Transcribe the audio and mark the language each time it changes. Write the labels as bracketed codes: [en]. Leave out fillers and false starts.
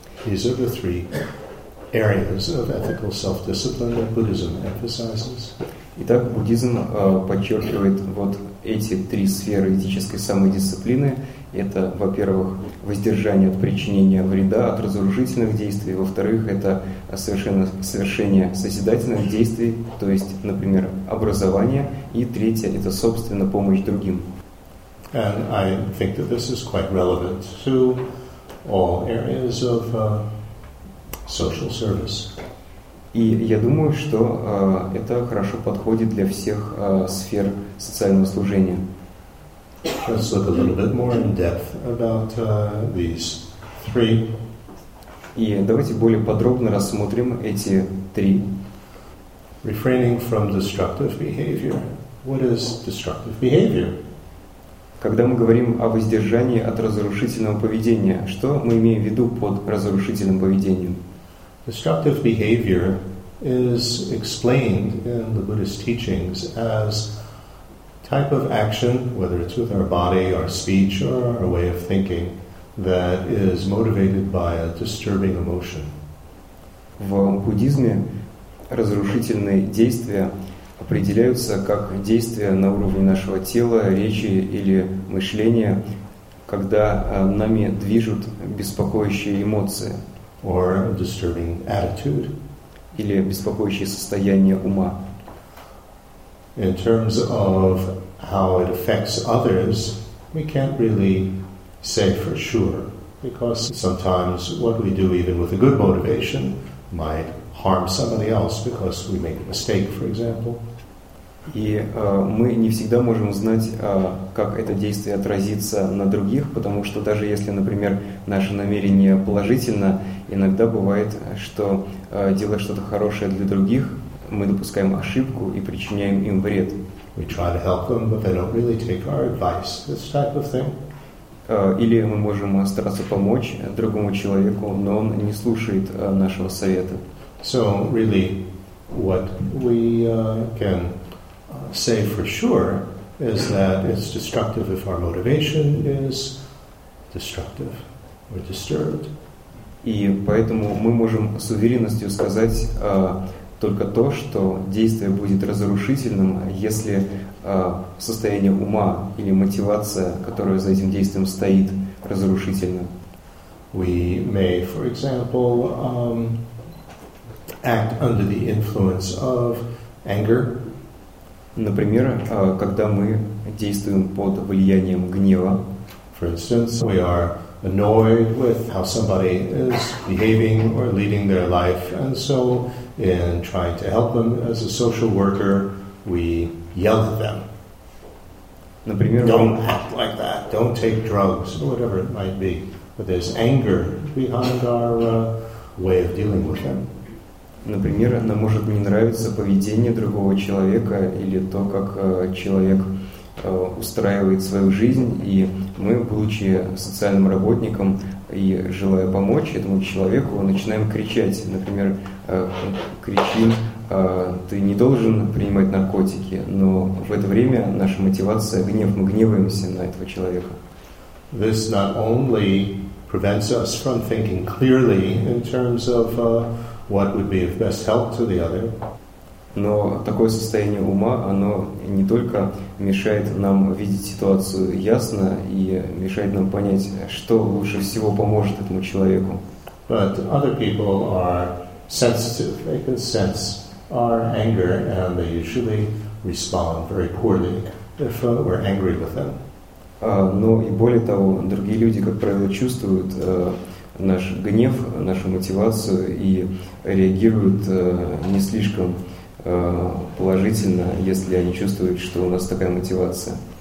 [en] These are the three areas of ethical self-discipline that Buddhism emphasizes. [ru] Итак, буддизм подчеркивает вот эти три сферы этической самодисциплины. Это, во-первых, воздержание от причинения вреда, от разрушительных действий. Во-вторых, это совершение созидательных действий, то есть, например, образование. И третье – это, собственно, помощь другим. [en] And I think that this is quite relevant to all areas of social service. [ru] И я думаю, что это хорошо подходит для всех сфер социального служения. [en] Let's look a little bit more in depth about these three. [ru] И давайте более подробно рассмотрим эти три. [en] Refraining from destructive behavior. What is destructive behavior? [ru] Когда мы говорим о воздержании от разрушительного поведения, что мы имеем в виду под разрушительным поведением? [en] Destructive behavior is explained in the Buddhist teachings as type of action, whether it's with our body, our speech, or our way of thinking, that is motivated by a disturbing emotion. [ru] В буддизме разрушительные действия определяются как действия на уровне нашего тела, речи или мышления, когда нами движут беспокоящие эмоции. [en] Or a disturbing attitude. [ru] Или беспокоящее состояние ума. [en] In terms of how it affects others, we can't really say for sure, because sometimes what we do, even with a good motivation, might harm somebody else because we make a mistake, for example. [ru] И мы не всегда можем знать, как это действие отразится на других, потому что даже если, например, наше намерение положительно, иногда бывает, что делая что-то хорошее для других, мы допускаем ошибку и причиняем им вред. [en] We try to help them, but they don't really take our advice, this type of thing. [ru] Или мы можем стараться помочь другому человеку, но он не слушает нашего совета. [en] So, really, what we can say for sure is that it's destructive if our motivation is destructive or disturbed. [ru] И поэтому мы можем с уверенностью сказать только то, что действие будет разрушительным, если состояние ума или мотивация, которая за этим действием стоит, разрушительна. [en] We may, for example, act under the influence of anger. [ru] Например, когда мы действуем под влиянием гнева. [en] For instance, we are annoyed with how somebody is behaving or leading their life, and so in trying to help them as a social worker, we yell at them. [ru] Например, [en] don't act like that. Don't take drugs or whatever it might be. But there's anger behind our way of dealing with them. [ru] Например, нам может не нравиться поведение другого человека или то, как человек устраивает свою жизнь, и мы, будучи социальным работником и желая помочь этому человеку, начинаем кричать. Например, кричим: «Ты не должен принимать наркотики», но в это время наша мотивация – гнев, мы гневаемся на этого человека. [en] This not only prevents us from thinking clearly in terms of what would be of best help to the other. [ru] Но такое состояние ума, оно не только мешает нам видеть ситуацию ясно и мешает нам понять, что лучше всего поможет этому человеку. [en] But other people are sensitive. They can sense our anger, and they usually respond very poorly if we're angry with them. [ru] Но и более того, другие люди, как правило, чувствуют наш гнев, нашу мотивацию и реагируют не слишком положительно, если они чувствуют, что у нас такая мотивация.